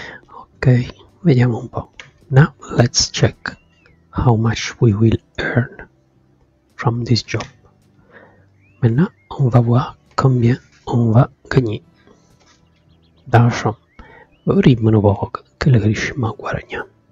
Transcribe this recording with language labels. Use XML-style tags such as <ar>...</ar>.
<it>Ok, vediamo un po'.</it> <en>Now let's check how much we will earn from this job.</en> <fr>Maintenant, on va voir combien on va gagner. D'argent.</fr> <it>Vedremo un po' che le riusciamo a guadagnare.</it>